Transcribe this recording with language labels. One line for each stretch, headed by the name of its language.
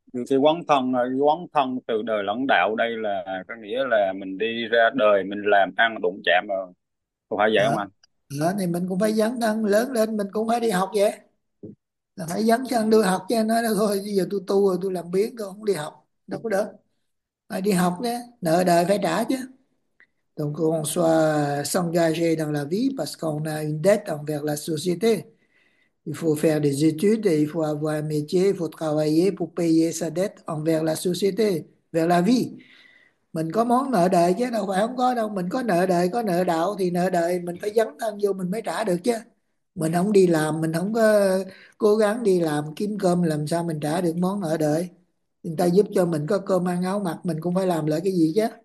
Vietnamese: Thì quán thân từ đời lãnh đạo đây là có nghĩa là mình đi ra đời mình làm ăn đụng chạm rồi, không phải vậy không Đó. anh? Đó, thì mình cũng phải dấn thân, lớn lên mình cũng phải đi học vậy, là phải dấn thân đưa học cho nó, thôi bây giờ tôi tu rồi tôi làm biếng tôi không đi học đâu có được, phải đi học nhé, nợ đời phải trả chứ.
French: Donc on soit s'engager dans la vie parce qu'on a une dette envers la société. Il faut faire des études et il faut avoir un métier, il faut travailler pour payer sa dette envers la société, vers la vie.
Vietnamese: Mình có món nợ đời chứ đâu phải không có đâu. Mình có nợ đời, có nợ đạo thì nợ đời mình phải dấn thân vô mình mới trả được chứ. Mình không đi làm, mình không có cố gắng đi làm kiếm cơm làm sao mình trả được món nợ đời. Người ta giúp cho mình có cơm ăn áo mặc mình cũng phải làm lại cái gì chứ.